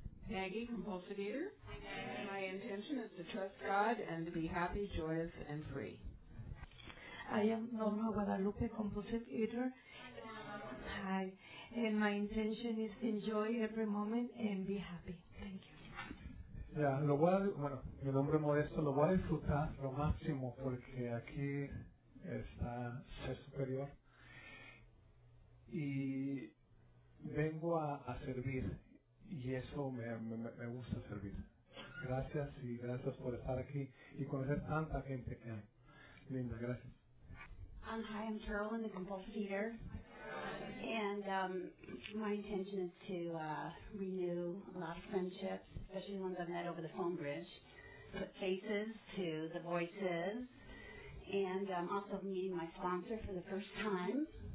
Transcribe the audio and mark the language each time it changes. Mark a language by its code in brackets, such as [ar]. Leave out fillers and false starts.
[en] Maggie, compulsive eater. My intention is to trust God and to be happy, joyous, and free. I am Norma Guadalupe, compulsive eater. Hi. And my intention is to enjoy every moment and be happy. Thank you. [es] Yeah, lo voy a, bueno, mi nombre es Modesto, lo voy a disfrutar lo máximo porque aquí está ser superior. Y vengo a servir y eso me gusta servir. Gracias y gracias por estar aquí y conocer tanta gente que hay. Linda, gracias. [en] Hi, I'm Carolyn, the compulsive eater. And my intention is to renew a lot of friendships, especially ones I've met over the phone bridge, put faces to the voices, and also meeting my sponsor for the first time.